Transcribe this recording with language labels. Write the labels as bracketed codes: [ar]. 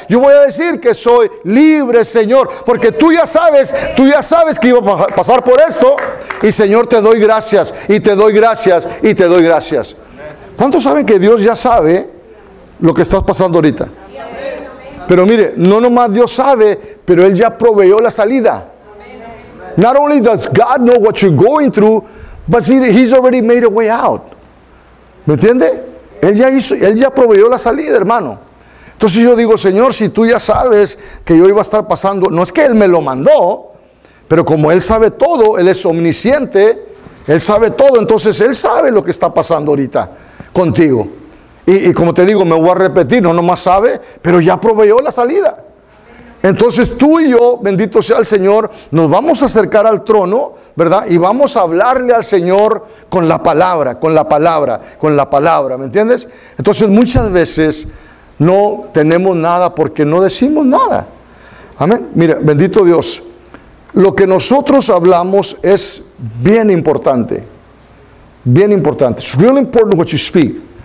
[es] Yo voy a decir que soy libre, Señor, porque tú ya sabes que iba a pasar por esto. Y Señor, te doy gracias, y te doy gracias, y te doy gracias. ¿Cuántos saben que Dios ya sabe lo que estás pasando ahorita? Pero mire, no nomás Dios sabe, pero Él ya proveyó la salida. [en] Not only does God know what you're going through, but He's already made a way out. [es] ¿Me entiende? Él ya hizo, él ya proveyó la salida, hermano. Entonces yo digo, Señor, si tú ya sabes que yo iba a estar pasando, no es que Él me lo mandó, pero como Él sabe todo, Él es omnisciente, Él sabe todo, entonces Él sabe lo que está pasando ahorita contigo. Y como te digo, me voy a repetir, no nomás sabe, pero ya proveyó la salida. Entonces tú y yo, bendito sea el Señor, nos vamos a acercar al trono, ¿verdad? Y vamos a hablarle al Señor con la palabra, con la palabra, con la palabra, ¿me entiendes? Entonces muchas veces no tenemos nada porque no decimos nada. Amén. Mira, bendito Dios, lo que nosotros hablamos es bien importante. Bien importante. [en] It's really important what you speak.